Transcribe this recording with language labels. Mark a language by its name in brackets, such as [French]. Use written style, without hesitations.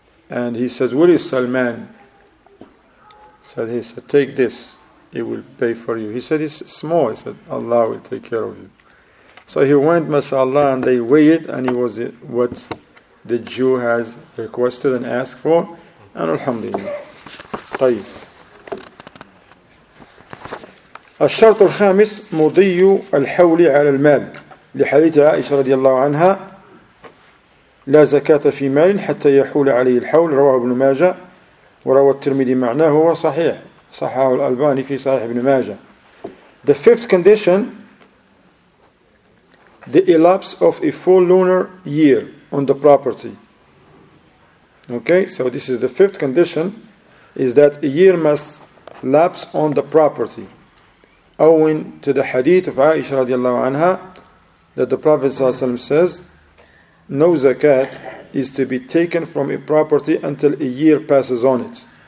[English] And he says, where is Salman? He said, take this, it will pay for you. He said, it's small. He said, Allah will take care of you. So he went, mashallah, and they weighed it, and it was what the Jew has requested and asked for. And alhamdulillah. Tayyib. [Arabic] الشرط الخامس مضي الحول على المال لحديث عائشة رضي الله عنها لا زكاة في مال حتى يحول عليه الحول رواه ابن ماجة وروى الترمذي معناه وصحيح صححه الألباني في صحيح ابن ماجة. [English] The fifth condition, the elapse of a full lunar year on the property. Okay, so this is the fifth condition, is that a year must lapse on the property. Owing to the hadith of Aisha radiallahu anha, that the Prophet ﷺ says, no zakat is to be taken from a property until a year passes on it.